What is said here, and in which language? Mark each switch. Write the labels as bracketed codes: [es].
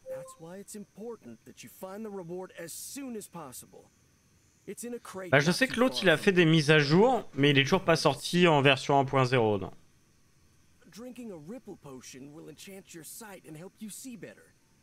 [en] That's why it's important that you find the reward as soon as possible. [fr] Bah je sais que l'autre il a fait des mises à jour, mais il est toujours pas sorti en version 1.0, non. [en] Drinking a ripple potion will enchant your sight and help you see better.